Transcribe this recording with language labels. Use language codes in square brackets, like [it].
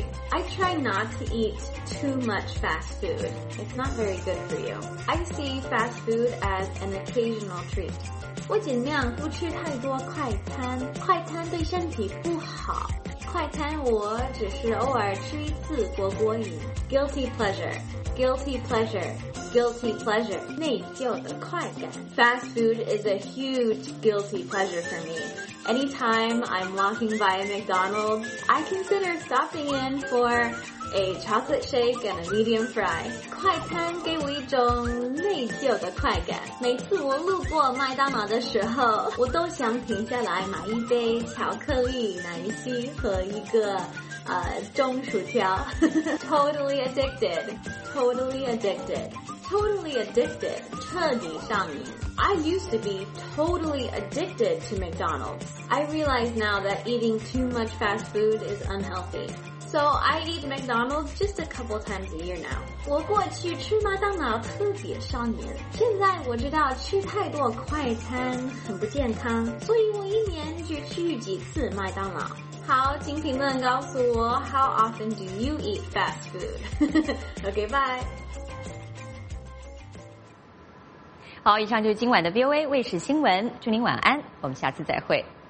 [en] I try not to eat too much fast food. It's not very good for you. I see fast food as an occasional treat. [zh] 我尽量不吃太多快餐，快餐对身体不好。快餐我只是偶尔吃一次过过瘾。 [en] Guilty pleasure. [zh] 内疚的快感。 [en] Fast food is a huge guilty pleasure for me. Anytime I'm walking by a McDonald's, I consider stopping in for a chocolate shake and a medium fry. [zh] 快餐给我一种内疚的快感。每次我路过麦当劳的时候，我都想停下来买一杯巧克力奶昔和一个中薯条。 [en] Totally addicted. Totally addicted. Totally addicted. [zh] 彻底上瘾。 [en] I used to be totally addicted to McDonald's. I realize now that eating too much fast food is unhealthy. So I eat McDonald's just a couple times a year now. [zh] 我过去吃麦当劳特别上瘾，现在我知道吃太多快餐很不健康，所以我一年只吃几次麦当劳。好，请评论告诉我 [en] ,How often do you eat fast food? OK, bye! [zh] 好，以上就是今晚的 VOA 卫视新闻，祝您晚安，我们下次再会。